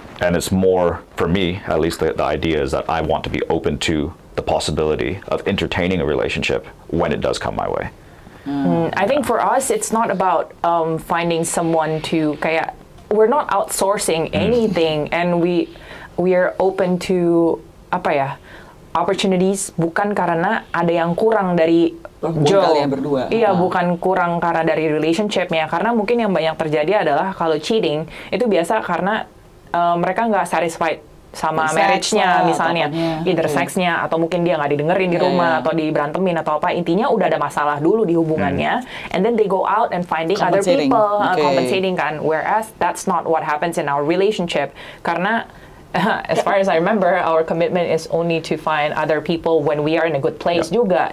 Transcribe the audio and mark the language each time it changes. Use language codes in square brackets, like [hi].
[en] And it's more, for me, at least the idea is that I want to be open to the possibility of entertaining a relationship when it does come my way. Mm. Mm, I think for us, it's not about finding someone to, [id] kayak, [en] we're not outsourcing anything and we are open to, [id] apa ya, [en] opportunities, [id] bukan karena ada yang kurang dari Joe. Iya, bukan kurang karena dari relationship-nya. Karena mungkin yang banyak terjadi adalah kalau cheating, itu biasa karena mereka nggak satisfied sama marriage-nya, misalnya. Either sex-nya, atau mungkin dia nggak didengerin di rumah, atau diberantemin, atau apa. Intinya udah ada masalah dulu di hubungannya. [en] And then they go out and finding other people. Compensating, kan. Whereas, that's not what happens in our relationship. Karena, as far as I remember, our commitment is only to find other people when we are in a good place juga.